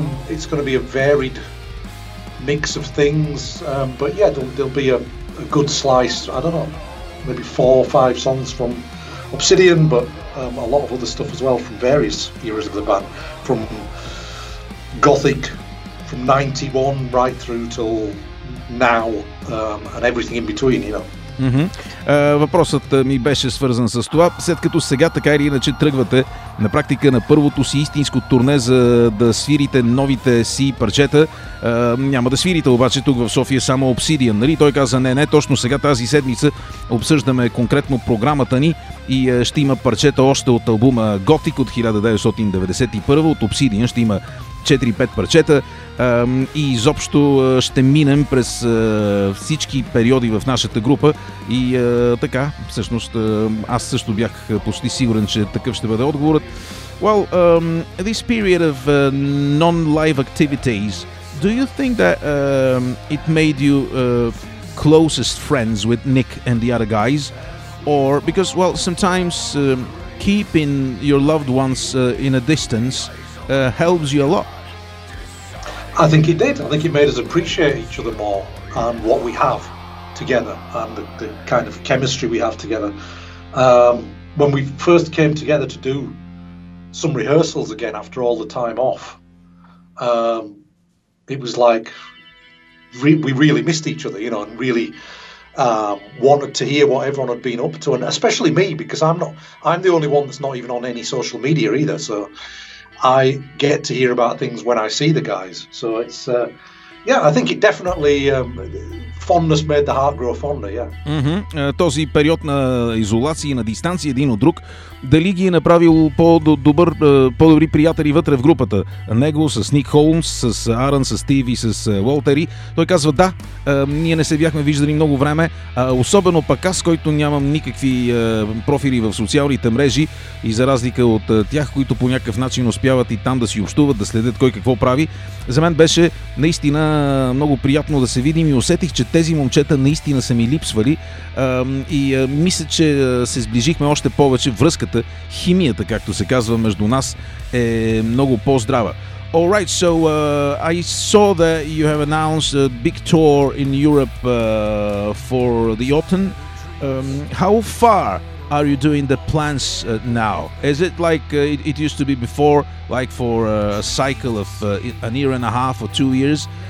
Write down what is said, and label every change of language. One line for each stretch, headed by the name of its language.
English: It's going to be a varied mix of things, but yeah, there'll be a good slice, I don't know, maybe four or five songs from Obsidian, but a lot of other stuff as well from various eras of the band, from Gothic, from 91 right through till now, and everything in between, you know. Mm-hmm.
Bulgarian: Въпросът ми беше свързан с това, след като сега така или иначе тръгвате на практика на първото си истинско турне, за да свирите новите си парчета, няма да свирите обаче тук в София само Obsidian, нали? Той каза, не, точно сега тази седмица обсъждаме конкретно програмата ни и ще има парчета още от албума Gothic от 1991, от Obsidian ще има 4-5 парчета и изобщо ще минем през всички периоди в нашата група и така, всъщност аз също бях почти сигурен, че такъв ще бъде отговорът.
English: Well, this period of non-live activities, do you think that it made you closest friends with Nick and the other guys? Or because, well, sometimes keeping your loved ones in a distance helps you a lot. I think it did. I think it made us appreciate each other more and what we have together and the kind of chemistry we have together. When we first came together to do some rehearsals again after all the time off, it was like we really missed each other, you know, and really wanted to hear what everyone had been up to, and especially me, because I'm the only one that's not even on any social media either, so I get to hear about things when I see the guys. So it's I think it definitely fondness made the heart grow fonder, yeah. Mm-hmm.
Bulgarian: Този период на изолация и на дистанция един от друг, дали ги е направил по-добри приятели вътре в групата? Него с Ник Холмс, с Аран, с Стив и с Уолтери. Той казва, да, ние не се бяхме виждали много време, особено пък аз, който нямам никакви профили в социалните мрежи и за разлика от тях, които по някакъв начин успяват и там да си общуват, да следят кой какво прави. За мен беше наистина много приятно да се видим и усетих, че тези момчета наистина са ми липсвали и мисля, че се сближихме още повече. Връзката, химията, както се казва между нас, е много по-здрава.
English: All right, so I saw that you have announced a big tour in Europe for the autumn. How far are you doing the plans now? Is it like it used to be before, like for a cycle of an year and a half or 2 years?